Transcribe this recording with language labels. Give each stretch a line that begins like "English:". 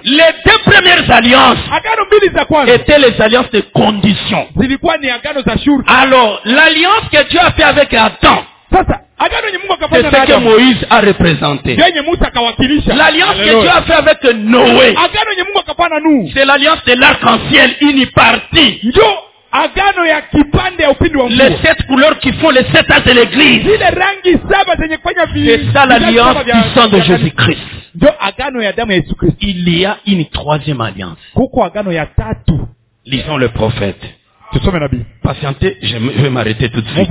French: Les deux premières alliances étaient les alliances de condition. Alors, l'alliance que Dieu a fait avec Adam, c'est ce que Moïse a représenté. L'alliance que Dieu a fait avec Noé, c'est l'alliance de l'arc-en-ciel, une partie.
Swahili: Agano ya kipande ya upindi wa Mungu.
French: Les sept couleurs qui font les sept âges de l'église.
Swahili: Zile rangi saba zenye kufanya vi.
French: C'est ça l'alliance du sang de Jésus-Christ.
Swahili: Ndio agano ya damu ya Yesu Kristo.
French: Il y a une troisième alliance.
Swahili: Kuko agano ya tatu.
French: Lisons le prophète.
Swahili: Tusome nabii.
French: Patientez, je vais m'arrêter tout de suite.